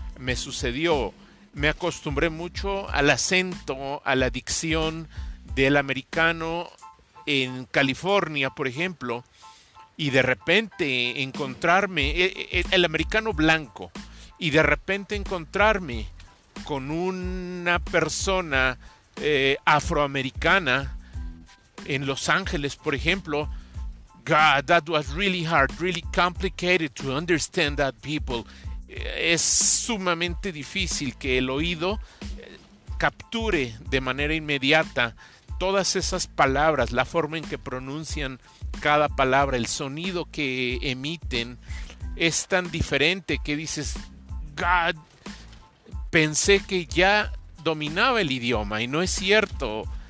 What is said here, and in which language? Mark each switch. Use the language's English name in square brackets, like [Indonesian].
[Spanish] Me sucedió, me acostumbré mucho al acento, a la dicción del americano en California, por ejemplo, y de repente encontrarme, el americano blanco, y de repente encontrarme con una persona afroamericana en Los Ángeles, por ejemplo. [English] God, that was really hard, really complicated to understand that people. [Spanish] Es sumamente difícil que el oído capture de manera inmediata todas esas palabras, la forma en que pronuncian cada palabra, el sonido que emiten, es tan diferente que dices, [English] God, [Spanish] pensé que ya dominaba el idioma, y no es cierto.